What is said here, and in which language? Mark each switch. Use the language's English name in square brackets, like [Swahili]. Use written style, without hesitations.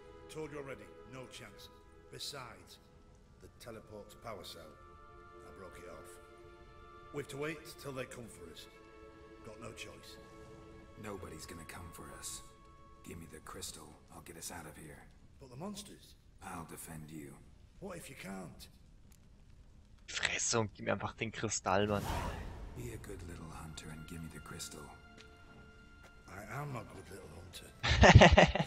[English] Told you already. No chance. Besides, the teleport's power cell. I broke it off. We've to wait till they come for us. Got no choice. Nobody's gonna come for us. Give me the crystal, I'll get us out of here. But the monsters? I'll defend you. What if you can't? [German] Fresse und gib mir einfach den Kristall, Mann. [English] Be a good little hunter and give me the crystal. I am a good little hunter.